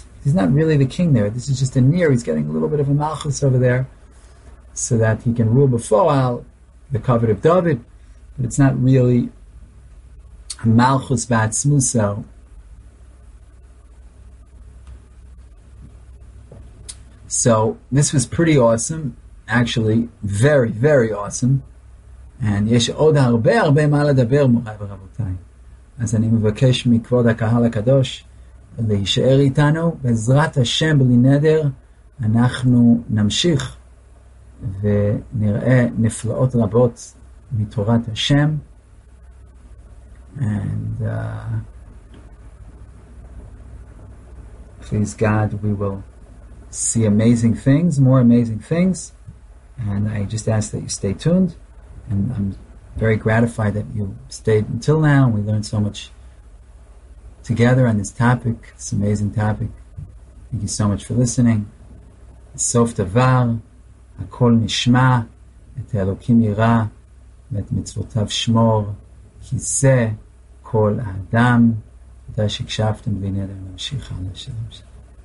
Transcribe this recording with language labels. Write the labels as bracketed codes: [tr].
[en] He's not really the king there. This is just a near. He's getting a little bit of a malchus over there so that he can rule b'foal the covet of David, but it's not really a malchus b'atzmuso. So this was pretty awesome. Actually, very, very awesome. [he] And יש עוד הרבה הרבה מה לדבר, מוריי ורבותיי. אז אני מבקש מכבוד הקהל הקדוש להישאר איתנו. בעזרת השם, בלי נדר, אנחנו נמשיך ונראה נפלאות רבות מתורת השם. [en] And please God, we will see amazing things, more amazing things. And I just ask that you stay tuned. And I'm very gratified that you stayed until now. We learned so much together on this topic, this amazing topic. Thank you so much for listening. [he] Sof Tavar, Hakol Nishma. את האלוקים ירא, ואת מצוותיו שמור, כי זה כל האדם. תודה שהקשבתם, והנה להם להמשיך הלאה. שלום שלום.